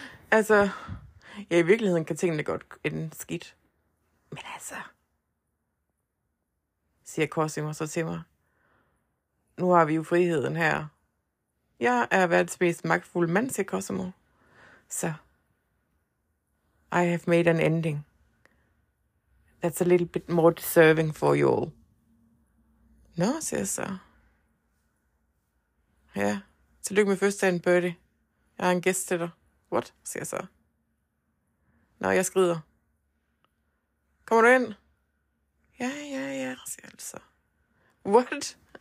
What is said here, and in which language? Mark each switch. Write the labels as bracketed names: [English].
[Danish] Altså, ja, i virkeligheden kan tingene godt ende skidt. Men altså, siger Cosimo så til mig. Nu har vi jo friheden her. Jeg er verdens mest magtfulde mand, siger Cosimo. [English] Så, I have made an ending. That's a little bit more deserving for you all. [Danish] Nå, siger jeg så. Ja, tillykke med fødselsdagen, Birdie. Jeg har en gæst til dig. What, siger jeg så. Nå, jeg skrider. Kommer du ind? Ja, ja, ja, siger jeg så. What?